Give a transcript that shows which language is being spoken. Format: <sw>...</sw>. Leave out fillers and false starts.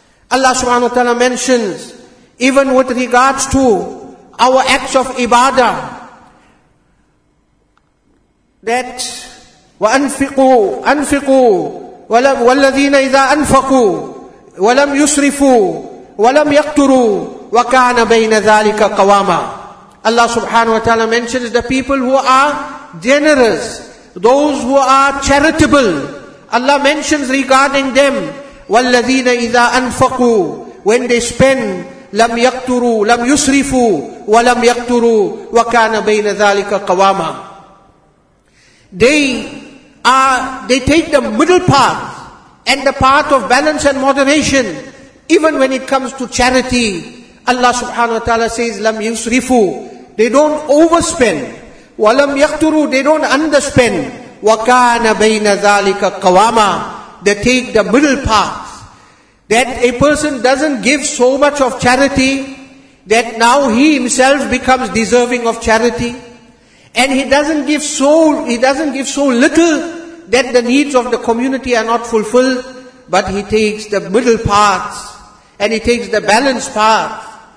<en>Allah subhanahu wa ta'ala mentions, even with regards to our acts of ibadah, that</en> <ar>وَأَنْفِقُوا وَالَّذِينَ إِذَا أَنْفَقُوا وَلَمْ يُسْرِفُوا وَلَمْ يَقْتُرُوا وَكَانَ بَيْنَ ذَلِكَ قَوَامًا.</ar> <en>Allah subhanahu wa ta'ala mentions the people who are generous, those who are charitable. Allah mentions regarding them,</en> <ar>وَالَّذِينَ إِذَا أَنْفَقُوا,</ar> <en>when they spend,</en> <ar>لَمْ يَقْتُرُوا لَمْ يُسْرِفُوا وَلَمْ يَقْتُرُوا وَكَانَ بَيْنَ ذَلِكَ قَوَامًا.</ar> <en>They take the middle path and the path of balance and moderation. Even when it comes to charity, Allah subhanahu wa ta'ala says,</en> <ar>لَمْ يُسْرِفُوا,</ar> <en>they don't overspend.</en> <ar>وَلَمْ يَقْتُرُوا,</ar> <en>they don't underspend.</en> <ar>وَكَانَ بَيْنَ ذَلِكَ قَوَامًا,</ar> <en>they take the middle path. That a person doesn't give so much of charity that now he himself becomes deserving of charity. And he doesn't give so little that the needs of the community are not fulfilled, but he takes the middle path and he takes the balanced path.</en>